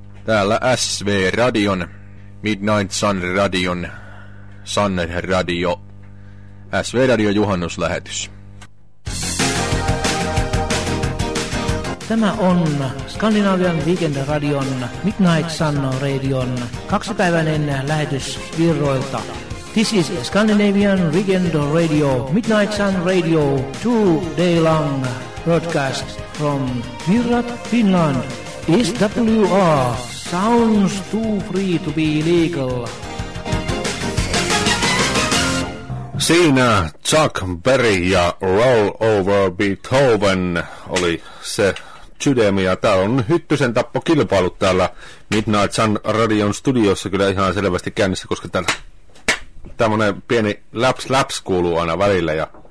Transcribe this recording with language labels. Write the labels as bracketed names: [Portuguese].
[Finnish] Täällä SV Radion, Midnight Sun Radion, Sun Radio. SV-radio juhannuslähetys. Tämä on Skandinavian Weekend-radion Midnight Sun Radion kaksipäiväinen lähetys Virroilta. [English] This is Scandinavian Weekend Radio, Midnight Sun Radio, 2-day-long broadcast from Virra, Finland. SWR sounds too free to be legal. [Finnish] Siinä Chuck Berry ja Roll Over Beethoven oli se jydemi. Ja täällä on Hyttysen tappo kilpailut täällä Midnight Sun Radion studiossa kyllä ihan selvästi käynnissä, koska täällä tämmönen pieni laps kuuluu aina välillä.